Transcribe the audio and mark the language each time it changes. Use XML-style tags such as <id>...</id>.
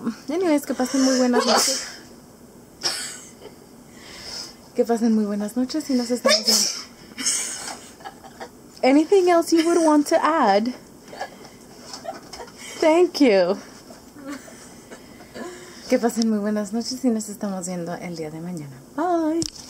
<es>Anyways, que pasen muy buenas noches. Que pasen muy buenas noches y nos estamos viendo.</es> <en>Anything else you would want to add? Thank you.</en> <es>Que pasen muy buenas noches y nos estamos viendo el día de mañana. Bye.</es>